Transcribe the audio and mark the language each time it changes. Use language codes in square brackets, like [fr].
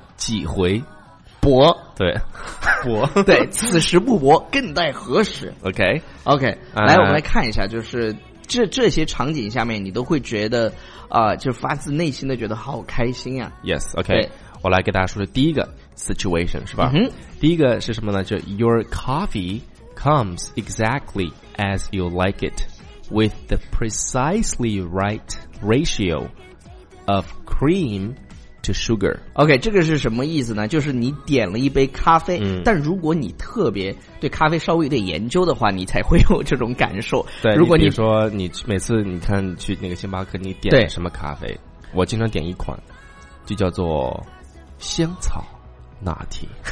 [zh] 几回搏，对搏对，此时不搏更待何时。 OK 来，我们来看一下，就是这些场景下面你都会觉得就发自内心的觉得好开心啊。 Yes， OK， 我来给大家说说第一个 situation 是吧。第一个是什么呢，就 [en] Your coffee comes exactly as you like itWith the precisely right ratio of cream to sugar. [zh] OK， 这个是什么意思呢？就是你点了一杯咖啡，但如果你特别对咖啡稍微有点研究的话，你才会有这种感受。对，如果你比如说你每次你看去那个星巴克，你点什么咖啡？我经常点一款，就叫做香草拿铁。